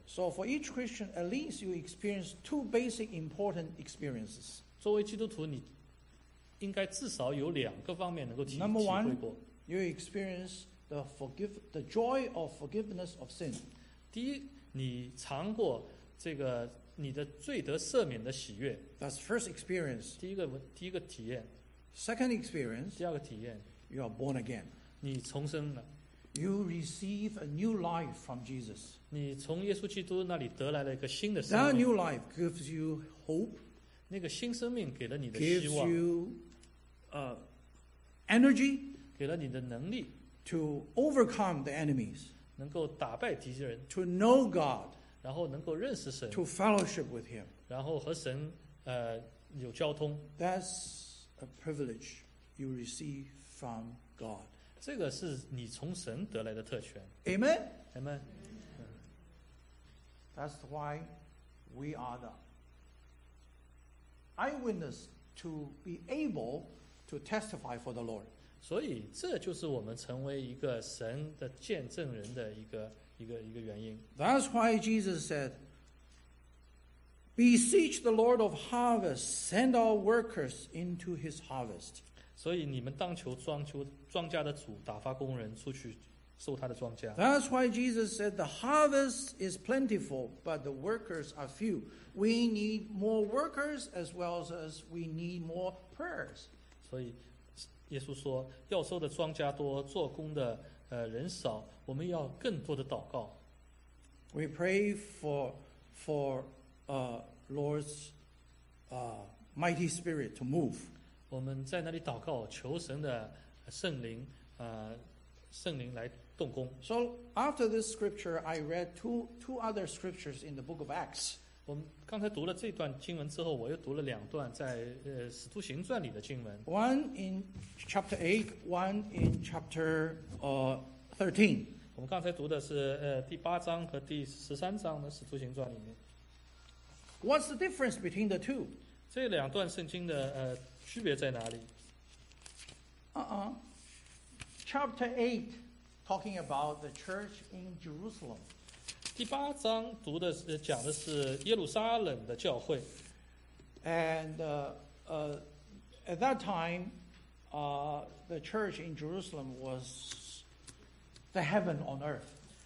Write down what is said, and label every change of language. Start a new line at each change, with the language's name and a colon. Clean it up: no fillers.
English: So for each Christian, at least you experience two basic important experiences.
Chinese: 作为基督徒，你应该至少有两个方面能够体会过。
English: Number one, you experience the joy of forgiveness of sin.
Chinese: 第一，你尝过这个你的罪得赦免的喜悦。
English: That's first experience.
Chinese: 第一个体验。
English: Second experience.
Chinese: 第二个体验。
English: You are born again.
Chinese: 你重生了。
English: You receive a new life from Jesus.
Chinese: 你从耶稣基督那里得来了一个新的生命。
English: That new life gives you hope.
Chinese: 那个新生命给了你的希望。
English: Gives you energy.
Chinese: 给了你的能力。
English: To overcome the enemies,
Chinese: 能够打败敌人。
English: To know God,
Chinese: 然后能够认识神。
English: To fellowship with Him,
Chinese: 然后和神有交通。
English: That's a privilege you receive from God.
Chinese: 这个是你从神得来的特权。
English: Amen. Amen. That's why we are the eyewitness to be able to testify for the Lord.
Chinese: 所以这就是我们成为一个神的见证人的一个原因。
English: That's why Jesus said, Beseech the Lord of harvest, send our workers into his harvest.
Chinese: 所以你们当求庄稼的主打发工人出去收他的庄稼。
English: That's why Jesus said, The harvest is plentiful, but the workers are few. We need more workers as well as we need more prayers.
Chinese: 所以耶稣说要收的庄稼多做工的人少我们要更多的祷告。
English: We pray for Lord's mighty spirit to move.
Chinese: 我们在那里祷告求神的圣灵圣灵来动工。
English: So after this scripture, I read two other scriptures in the book of Acts.
Chinese: 我们刚才读了这段经文之后，我又读了两段在使徒行传里的经文。
English: One in chapter 8, one in chapter 13.
Chinese: 我们刚才读的是第八章和第十三章的使徒行传里面。
English: What's the difference between the two?
Chinese: 这两段圣经的区别在哪里？
English: Chapter 8 talking about the church in Jerusalem.
Chinese: 第八章读的是讲的是耶路撒冷的教会。
English: And at that time, the church in Jerusalem was the heaven on earth.